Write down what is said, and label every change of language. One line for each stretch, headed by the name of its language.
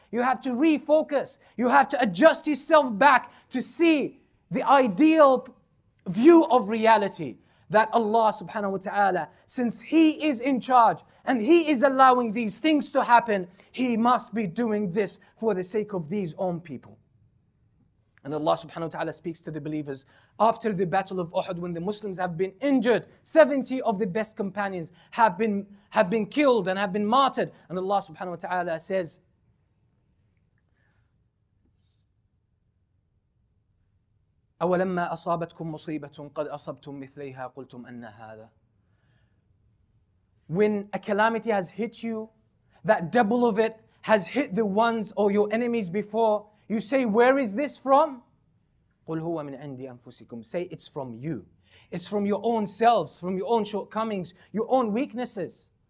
English: You have to refocus. You have to adjust yourself back to see the ideal view of reality that Allah subhanahu wa ta'ala, since He is in charge and He is allowing these things to happen, He must be doing this for the sake of these own people. And Allah subhanahu wa ta'ala speaks to the believers after the battle of Uhud, when the Muslims have been injured, 70 of the best companions have been killed and have been martyred. And Allah subhanahu wa ta'ala says,
Arabic: أَوَلَمَّا أَصَابَتْكُمْ مُصِيبَةٌ قَدْ أَصَبْتُمْ مِثْلَيْهَا قُلْتُمْ أَنَّ هَذَا.
English: When a calamity has hit you, that double of it has hit the ones or your enemies before, you say, where is this from?
Arabic: قُلْ هُوَ مِنْ عِنْدِ أَنفُسِكُمْ.
English: Say, it's from you. It's from your own selves, from your own shortcomings, your own weaknesses.